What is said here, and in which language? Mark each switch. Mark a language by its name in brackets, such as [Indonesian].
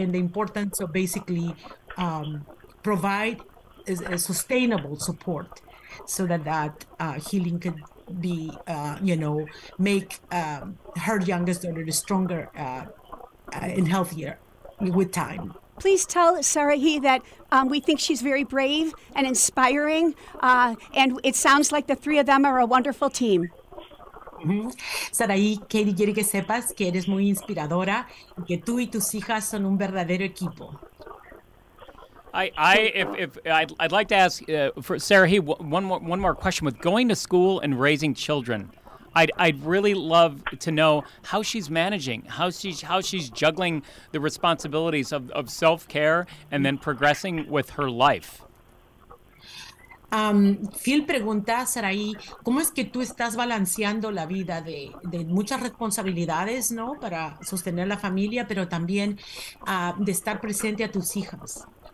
[English] And the importance of basically provide a sustainable support so that healing can be, make her youngest daughter stronger and healthier with time. Please tell Sarahí that we think she's very brave and inspiring, and it sounds like the three of them are a wonderful team. Mm-hmm. [Spanish] Sarahí, Katie quiere que sepas que eres muy inspiradora y que tú y tus hijas son un verdadero equipo. [English] I'd like to ask for Sarahí one more question. With going to school and raising children, I'd really love to know how she's managing, how she's juggling the responsibilities of self-care and then progressing with her life. [Spanish] Phil pregunta, Sarahí, ¿cómo es que tú estás balanceando la vida de muchas responsabilidades, ¿no? Para sostener la familia, pero también de estar presente a tus hijas.